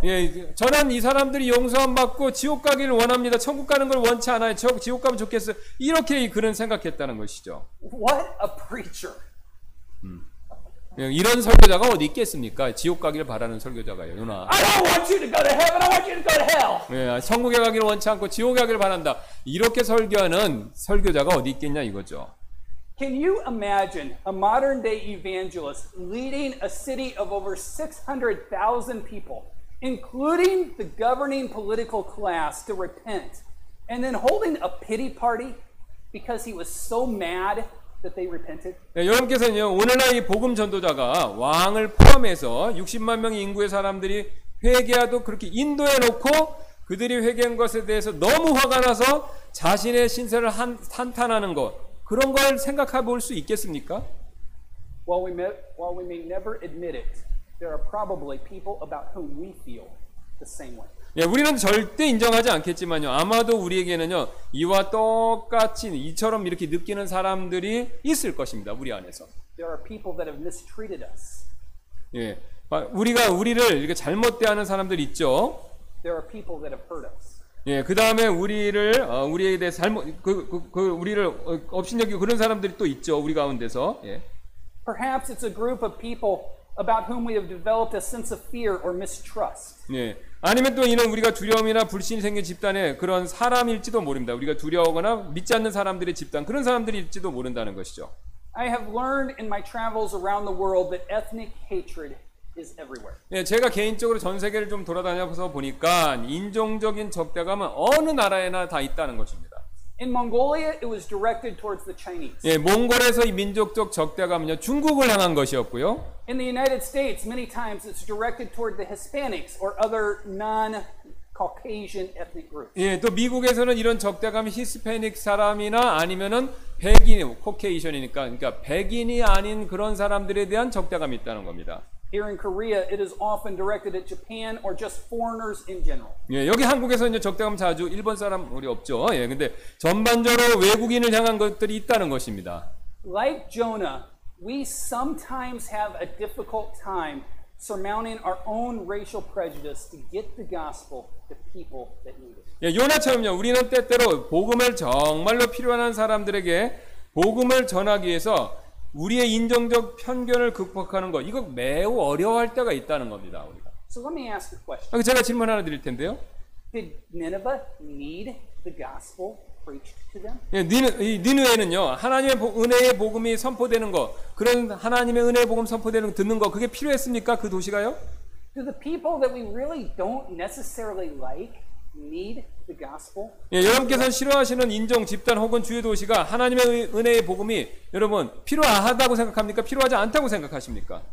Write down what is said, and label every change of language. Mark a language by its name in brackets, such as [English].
[Korean] 예, 저는 이 사람들이 용서함 받고 지옥 가기를 원합니다. 천국 가는 걸 원치 않아요. 저 지옥 가면 좋겠어요. 이렇게 그런 생각했다는 것이죠. [English] What a preacher. [Korean] 이런 설교자가 어디 있겠습니까? 지옥 가기를 바라는 설교자가요, 요나. [English] I don't want you to go to heaven. I want you to go to hell. [Korean] 예, 천국에 가기를 원치 않고 지옥에 가기를 바란다. 이렇게 설교하는 설교자가 어디 있겠냐 이거죠. [English] Can you imagine a modern day evangelist leading a city of over 600,000 people, including the governing political class, to repent and then holding a pity party because he was so mad? That they repented. [Korean] 예, 여러분께서는요 오늘날 이 복음 전도자가 왕을 포함해서 60만 명 인구의 사람들이 회개하도 그렇게 인도해 놓고 그들이 회개한 것에 대해서 너무 화가 나서 자신의 신세를 한탄하는 것 그런 걸 생각해 볼 수 있겠습니까? [English] While we may never admit it, there are probably people about whom we feel the same way. [Korean] 예, 우리는 절대 인정하지 않겠지만요. 아마도 우리에게는요 이와 똑같이 이처럼 이렇게 느끼는 사람들이 있을 것입니다. 우리 안에서. [English] There are people that have mistreated us. [Korean] 예, 우리가 우리를 이렇게 잘못 대하는 사람들 있죠. [English] There are people that have hurt us. [Korean] 예, 그 다음에 우리를 우리에 대해 우리를 업신여기고 그런 사람들이 또 있죠. 우리 가운데서. 예. [English] Perhaps it's a group of people about whom we have developed a sense of fear or mistrust. [Korean] 예. 아니면 또 이는 우리가 두려움이나 불신이 생긴 집단에 그런 사람일지도 모릅니다. 우리가 두려워하거나 믿지 않는 사람들의 집단, 그런 사람들일지도 모른다는 것이죠. [English] I have learned in my travels around the world that ethnic hatred is everywhere. [Korean] 예, 제가 개인적으로 전 세계를 좀 돌아다녀서 보니까 인종적인 적대감은 어느 나라에나 다 있다는 것입니다. [English] In Mongolia, it was directed towards the Chinese. [Korean] 예, 몽골에서 이 민족적 적대감은요, 중국을 향한 것이었고요. [English] In the United States, many times it's directed toward the Hispanics or other non-Caucasian ethnic groups. [Korean] 예, 또 미국에서는 이런 적대감이 히스패닉 사람이나 아니면은 백인, 코케이션이니까, 그러니까 백인이 아닌 그런 사람들에 대한 적대감이 있다는 겁니다. [English] Here in Korea, it is often directed at Japan or just foreigners in general. [Korean] 예, 여기 한국에서는 이제 적대감 자주 일본 사람 우리 없죠. 예, 근데 전반적으로 외국인을 향한 것들이 있다는 것입니다. [English] Like Jonah, we sometimes have a difficult time surmounting our own racial prejudice to get the gospel to people that need it. [Korean] 예, 요나처럼요. 우리는 때때로 복음을 정말로 필요한 사람들에게 복음을 전하기 위해서 우리의 인종적 편견을 극복하는 것, 이거 매우 어려워할 때가 있다는 겁니다, 우리가. [English] So let me ask a question. [Korean] 제가 질문 하나 드릴 텐데요. [English] Did Nineveh need the gospel preached to them? [Korean] 예, 니느웨는요, 하나님의 은혜의 복음이 선포되는 것, 그런 하나님의 은혜의 복음 선포되는 듣는 것, 그게 필요했습니까, 그 도시가요? [English] Do the people that we really don't necessarily like need the gospel? [Korean] 예, 여러분께서 싫어하시는 인종, 집단 혹은 주의 도시가 하나님의 은혜의 복음이 여러분 필요하다고 생각합니까? 필요하지 않다고 생각하십니까?